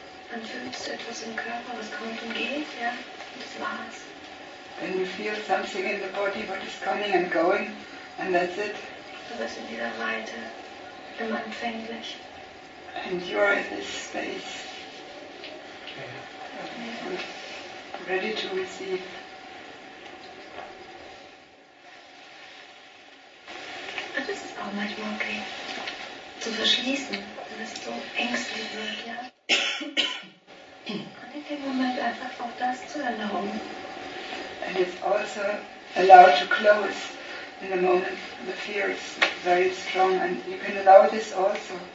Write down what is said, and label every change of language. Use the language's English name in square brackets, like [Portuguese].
[German] Dann fühlst du etwas im Körper, was kommt und geht, ja? Das war's. [English] Then you feel something in the body, what is coming and going, and that's it. [German] Du bist in dieser Weite, immer empfänglich. [English] And you are in this space. Ready to receive. [German] Und das ist auch manchmal okay, zu verschließen, wenn es so ängstlich wird, ja? Und in dem Moment einfach auch das zu erlauben. [English] And it's also allowed to close in the moment. The fear is very strong and you can allow this also.